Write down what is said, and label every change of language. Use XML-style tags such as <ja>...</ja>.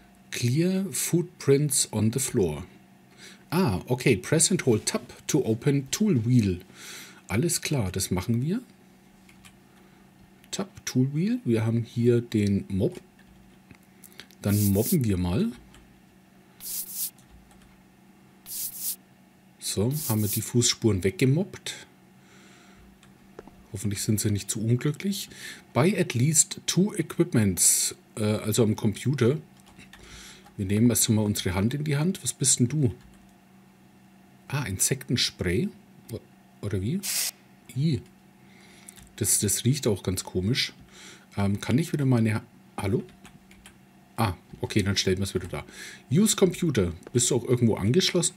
<en>Clear footprints on the floor. Ah, okay. Press and hold tab to open tool wheel.</en> <de>Alles klar, das machen wir.</de> <en>Tab, tool wheel.</en> <de>Wir haben hier den Mob. Dann mobben wir mal. So, haben wir die Fußspuren weggemobbt. Hoffentlich sind sie nicht zu unglücklich.</de> <en>Buy at least 2 Equipments,</en> <de>also am Computer. Wir nehmen erstmal unsere Hand in die Hand. Was bist denn du? Ah, Insektenspray. Oder wie? Das riecht auch ganz komisch. Kann ich wieder meine... Hallo? Ah, okay, dann stellen wir es wieder da.</de> <en>Use Computer.</en> <de>Bist du auch irgendwo angeschlossen?</de>